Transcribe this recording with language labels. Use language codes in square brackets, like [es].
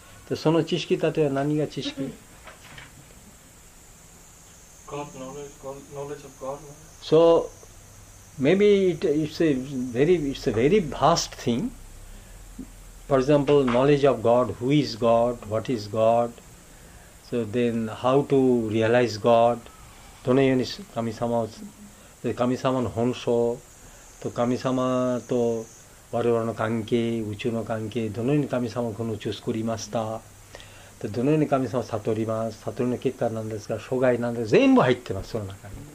[ja] その知識、例えば何が知識 [en] God knowledge of God. So, maybe it's a very vast thing. For example, knowledge of God, who is God, what is God. So then, how to realize God. [ja] どのように神様を、神様の本性、と神様と我々の関係、宇宙の関係、どのように神様をこの宇宙を作りましたで、どのように神様を悟ります、悟りの結果なんですが、障害なんですが、全部入ってます、その中に。